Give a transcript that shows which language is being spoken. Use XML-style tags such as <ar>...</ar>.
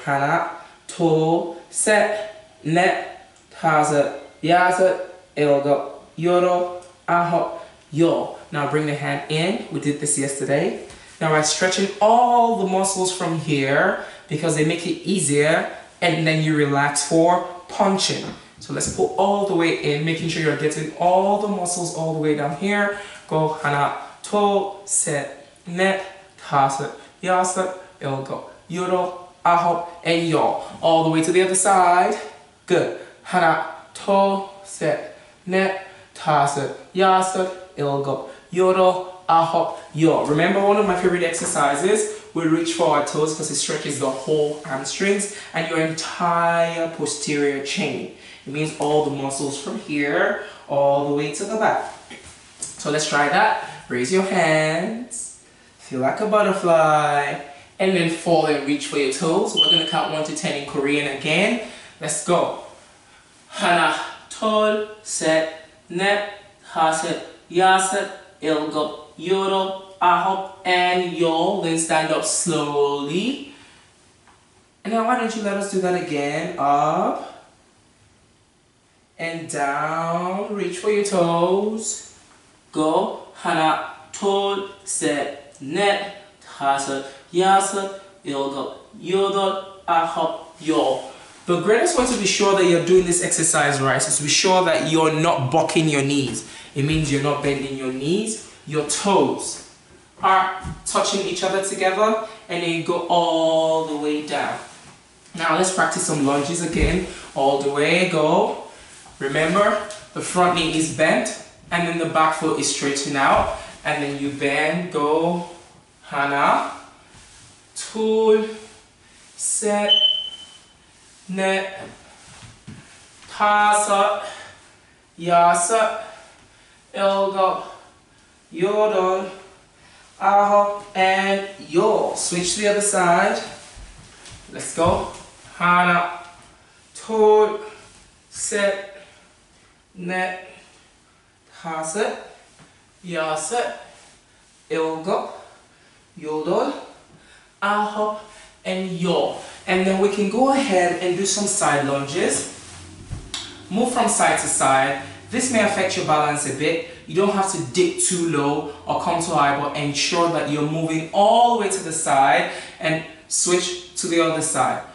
<ko>하나, 둘, 셋, 넷, 다섯, 여섯, 일곱, 여덟, 아홉, 열.</ko> <en>Now bring the hand in. We did this yesterday. Now by stretching all the muscles from here, because they make it easier, and then you relax for punching. So let's pull all the way in, making sure you're getting all the muscles all the way down here.</en> <ko>Go, 하나, 둘, 셋, 넷, 다섯, 여섯, 일곱, 여덟, 아홉, and 열.</ko> <en>All the way to the other side. Good.</en> <ko>하나, 둘, 셋, 넷, 다섯, 여섯, 일곱, 여덟, 아홉, 열.</ko> <en>Remember one of my favorite exercises? We reach for our toes because it stretches the whole hamstrings and your entire posterior chain. It means all the muscles from here all the way to the back. So let's try that. Raise your hands. Feel like a butterfly. And then fall and reach for your toes. We're going to count 1 to 10 in Korean again. Let's go.</en> <ko>하나, 둘, 셋, 넷, 다섯, 여섯, 일곱, 여덟, 아홉, and 열.</ko> <en>Then stand up slowly. And now why don't you let us do that again. Up. And down, reach for your toes.</en> <ko>Go, 하나, 둘, 셋, 넷, 다섯, 여섯, 일곱, 여덟, 아홉, 열.</ko> <en>The greatest way to be sure that you're doing this exercise right is to be sure that you're not bucking your knees. It means you're not bending your knees. Your toes are touching each other together, and then you go all the way down. Now let's practice some lunges again. All the way, go. Remember, the front knee is bent and then the back foot is straightened out. And then you bend, go.</en> <ko>하나, 둘, 셋, 넷, 다섯, 여섯, 일곱, 여덟, 아홉, and 열.</ko> <en>Switch to the other side. Let's go.</en> <ko>하나, 둘, 셋, 넷, 다섯, 여섯, 일곱, 여덟, 아홉, and 열.</ko> <en>And then we can go ahead and do some side lunges. Move from side to side. This may affect your balance a bit. You don't have to dip too low or come too high, but ensure that you're moving all the way to the side and switch to the other side.</en>